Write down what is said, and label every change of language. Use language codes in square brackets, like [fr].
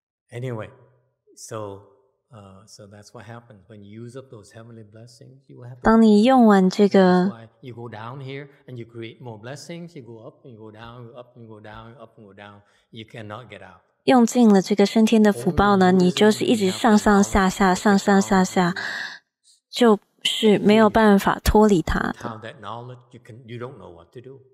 [en] Anyway, so,so that's what happens when you use up those heavenly blessings. You will have. [zh] 当你用完这个 [en] ，you go down here and you create more blessings. You go up and you go down, you up and go down, you up and go down. You cannot get out. [zh] 用尽了这个升天的福报呢，你就是一直上上下下，上上下下，就是没有办法脱离它。 [en] Without that knowledge, you can, you don't know what to do.